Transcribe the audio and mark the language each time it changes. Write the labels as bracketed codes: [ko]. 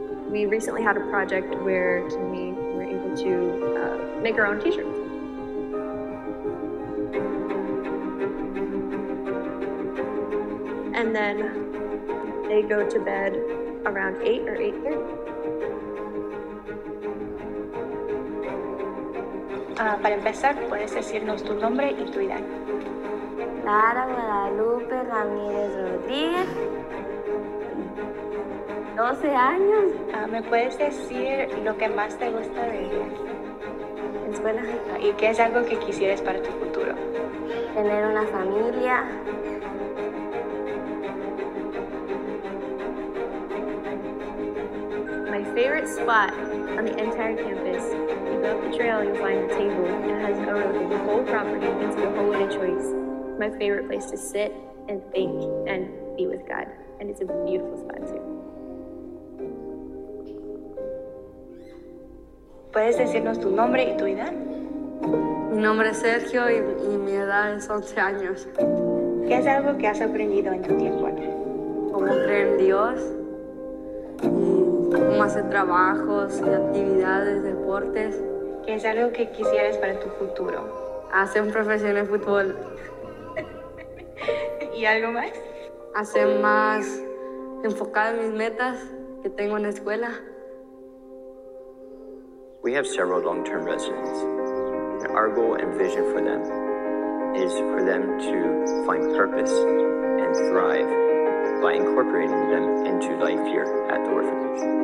[en] We recently had a project where we were able to make our own t-shirts. And then they go to bed around 8 or 8:30. [es] Para empezar, puedes decirnos tu nombre y tu edad. Lara Guadalupe Ramírez Rodríguez. 12 años. ¿Me puedes decir lo que más te gusta de ella? Es buena. ¿Y qué es algo que quisieras para tu futuro? Tener una familia. [en] Favorite spot on the entire campus. You go up the trail and you find a table. It has overlooking the whole property. It's the whole way of choice. My favorite place to sit and think and be with God. And it's a beautiful spot too. [es] ¿Puedes decirnos tu nombre y tu edad? Mi nombre es Sergio y mi edad es 11 años. ¿Qué es algo que has aprendido en tu tiempo aquí? Cómo creer en Dios. Cómo hacer trabajos, actividades, deportes. ¿Qué es algo que quisieras para tu futuro? Hacer un profesional de fútbol. ¿Y algo más? Hacer más enfocada en mis metas que tengo en la escuela. [en] We have several long-term residents. Our goal and vision for them is for them to find purpose and thrive by incorporating them into life here at the orphanage.